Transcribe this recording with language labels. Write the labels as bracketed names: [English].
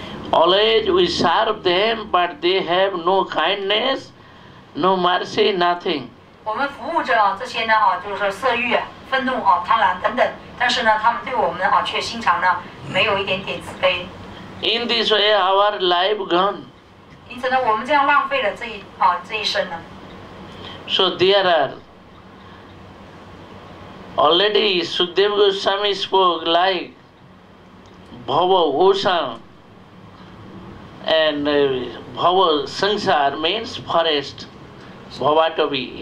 [English] Always we serve them, but they have no kindness, no mercy, nothing. [Chinese] 我们服务着这些色欲、愤怒、贪婪等等，但是呢，他们对我们却心肠没有一点点慈悲。 [English] In this way, our life gone. [Chinese] 因此呢，我们这样浪费了这一生呢。 [English] So there are already Sukhdev Goswami spoke like Bhava Ocean and Bhava Sansar means forest, Bhavatobi.